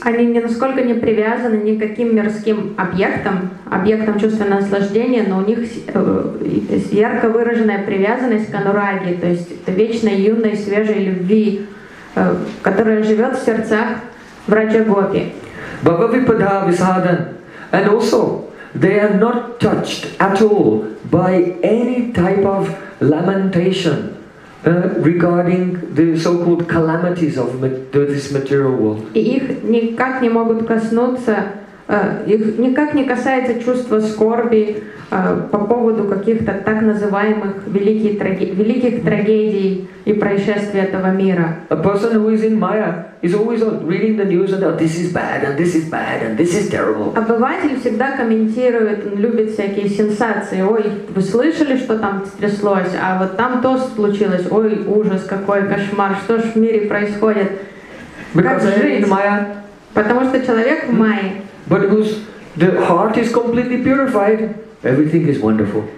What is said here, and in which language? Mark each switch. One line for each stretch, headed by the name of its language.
Russian: Они ни насколько не привязаны ни к каким мирским объектам, объектам чувственного наслаждения, но у них ярко выраженная привязанность к анураге, то есть вечной юной свежей любви, которая живет в сердцах Брajagopi.
Sanskrit: Bhava vipada visadan,
English: and also they are not touched at all by any type of lamentation regarding the so-called calamities of this material world.
Russian: И их никак не могут коснуться, их никак не касается чувство скорби по поводу каких-то так называемых великих трагедий и происшествий этого мира.
English: A person who is in Maya is always reading the news and this is bad and this is bad and this is terrible.
Russian: Обыватель всегда комментирует, он любит всякие сенсации. Ой, вы слышали, что там стряслось? А вот там то случилось. Ой, ужас, какой кошмар. Что ж в мире происходит?
English: Because
Russian: как жить?
English: Maya.
Russian: Потому что человек в Майе.
English: But whose the heart is completely purified, everything is wonderful.